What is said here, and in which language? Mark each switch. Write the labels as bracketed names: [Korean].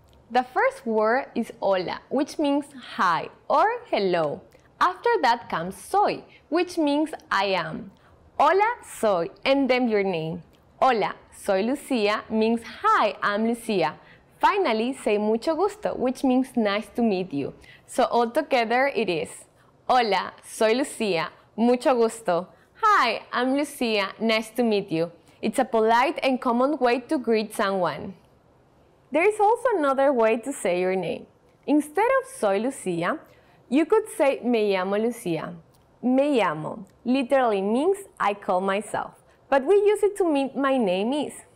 [English] The first word is hola, which means hi or hello. After that comes soy, which means I am. Hola, soy, and then your name. [Spanish] Hola, soy Lucía [English] means hi, I'm Lucía. Finally, say mucho gusto, which means nice to meet you. So all together it is, [Spanish] hola, soy Lucía, mucho gusto. [English] Hi, I'm Lucía, nice to meet you. It's a polite and common way to greet someone. There is also another way to say your name. Instead of soy Lucía, you could say [Spanish] me llamo Lucía. [English] Me llamo literally means I call myself, but we use it to mean my name is.